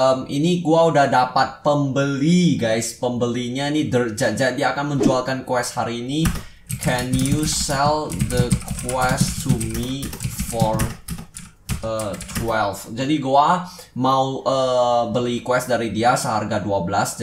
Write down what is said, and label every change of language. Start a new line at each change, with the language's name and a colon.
Indonesian: Ini gua udah dapat pembeli guys. Pembelinya nih Dirt Jet. Jadi akan menjualkan quest hari ini.
English: Can you sell the quest to me for 12.
Indonesian: Jadi gua mau beli quest dari dia seharga 12.